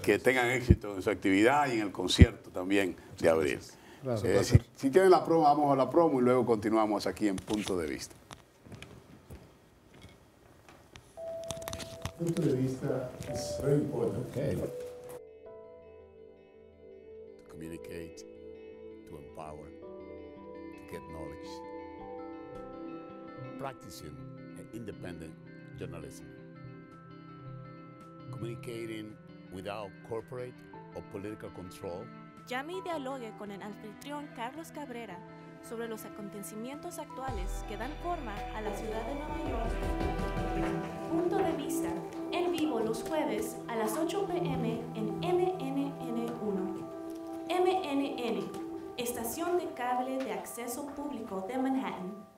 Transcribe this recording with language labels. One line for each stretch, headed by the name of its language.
Spanish: Que tengan éxito en su actividad y en el concierto también de abril. Si tienen la promo, vamos a la promo y luego continuamos aquí en Punto de Vista. punto de vista es muy importante.
English: Okay. To communicate, to empower, to get knowledge. Practicing an independent journalism. Communicating without corporate or political control.
Spanish: Llame y dialogue con el anfitrión Carlos Cabrera sobre los acontecimientos actuales que dan forma a la ciudad de Nueva York. Punto de Vista, en vivo los jueves a las 8 p.m. en MNN1. MNN, estación de cable de acceso público de Manhattan.